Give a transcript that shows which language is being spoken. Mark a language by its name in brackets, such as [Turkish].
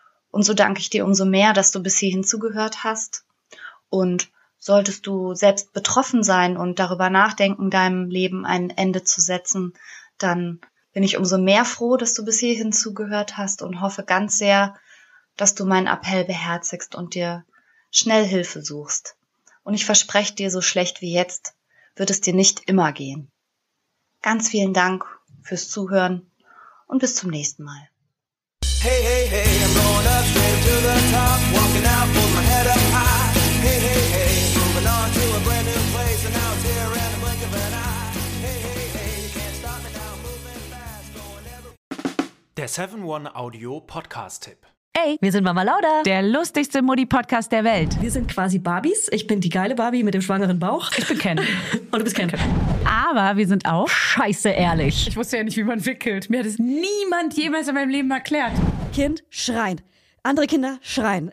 [German] Und so danke ich dir umso mehr, dass du bis hierhin zugehört hast. Und solltest du selbst betroffen sein und darüber nachdenken, deinem Leben ein Ende zu setzen, dann bin ich umso mehr froh, dass du bis hierhin zugehört hast und hoffe ganz sehr, dass du meinen Appell beherzigst und dir schnell Hilfe suchst. Und ich verspreche dir, so schlecht wie jetzt wird es dir nicht immer gehen. Ganz vielen Dank fürs Zuhören und bis zum nächsten Mal. [English] Hey, hey, hey, I'm going up straight to the top, walking out, pull my head up high. Hey, hey, hey, moving on to a brand new place, and now it's here in the blink of an eye. Hey, hey, hey, you can't stop me now, moving fast, going everywhere. [German] Der 7-1 Audio Podcast Tipp. Hey, wir sind Mama Lauda, der lustigste Mutti-Podcast der Welt. Wir sind quasi Barbies. Ich bin die geile Barbie mit dem schwangeren Bauch. Ich bin Ken. Und du bist Ken. Aber wir sind auch scheiße ehrlich. Ich wusste ja nicht, wie man wickelt. Mir hat es niemand jemals in meinem Leben erklärt. Kind schreien. Andere Kinder schreien.